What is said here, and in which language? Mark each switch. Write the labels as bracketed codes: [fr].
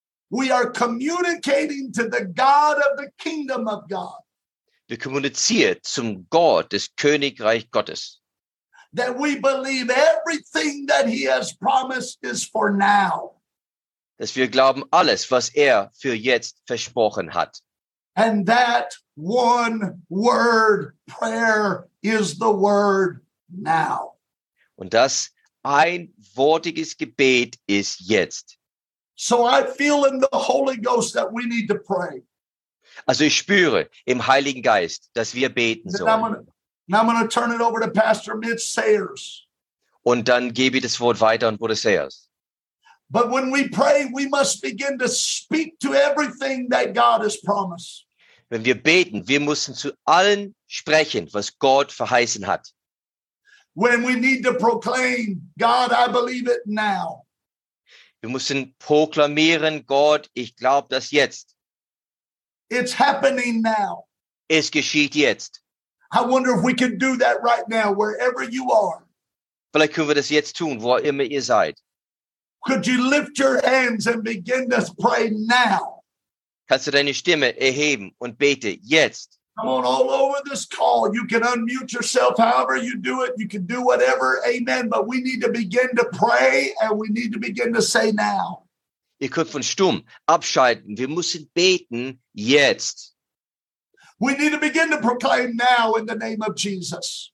[en] We are communicating to the God of the kingdom of God. [de] Wir kommunizieren zum Gott des Königreich Gottes. [en] That we believe everything that he has promised is for now. [de] Dass wir glauben alles, was er für jetzt versprochen hat. [en] And that one word prayer is the word now. [de] Und das einwortiges Gebet ist jetzt. [en] So I feel in the Holy Ghost that we need to pray. [de] Also ich spüre im Heiligen Geist, dass wir beten sollen. [en] Now I'm going to turn it over to Pastor Mitch Sayers. [de] Und dann gebe ich das Wort weiter an Bruder Sayers. [en] But when we pray, we must begin to speak to everything that God has promised. [de] Wenn wir beten, wir müssen zu allen sprechen, was Gott verheißen hat. [en] When we need to proclaim, God, I believe it now. [de] Wir müssen proklamieren, Gott, ich glaube das jetzt. [en] It's happening now. [de] Es geschieht jetzt. [en] I wonder if we can do that right now, wherever you are. [de] Vielleicht können wir das jetzt tun, wo immer ihr seid. [en] Could you lift your hands and begin to pray now? [de] Kannst du deine Stimme erheben und bete jetzt? [en] Come on, all over this call. You can unmute yourself however you do it. You can do whatever. Amen. But we need to begin to pray and we need to begin to say now. [de] Ihr könnt von stumm abschalten. Wir müssen beten jetzt. [en] We need to begin to proclaim now in the name of Jesus.